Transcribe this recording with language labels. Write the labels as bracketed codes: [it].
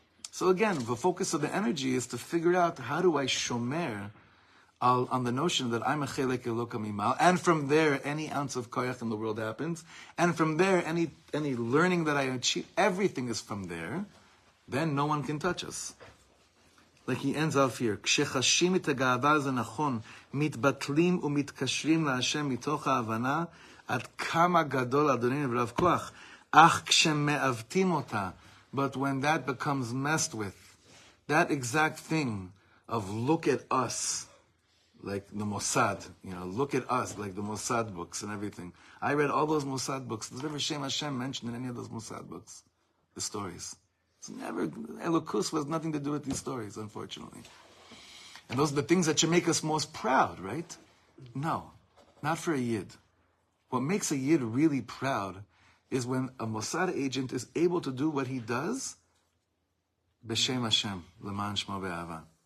[en] So again, the focus of the energy is to figure out how do I shomer on the notion that I'm a [he] chelek eloka mimal, [en] and from there any ounce of koyach in the world happens, and from there any learning that I achieve, everything is from there, then no one can touch us. Like he ends off here, [he] כשחשים את הגאווה זה נכון, מתבטלים ומתקשרים להשם מתוך ההבנה, עד כמה גדול אדוני ורב כוח, אך כשמאבטים אותה, [en] but when that becomes messed with, that exact thing of look at us, like the Mossad, you know, look at us, like the Mossad books and everything. I read all those Mossad books. There's never Shem Hashem mentioned in any of those Mossad books, the stories. It's never, Elokus was nothing to do with these stories, unfortunately. And those are the things that should make us most proud, right? No, not for a Yid. What makes a Yid really proud is when a Mossad agent is able to do what he does, [he] B'Shem Hashem, L'man Shmo Be'Ava.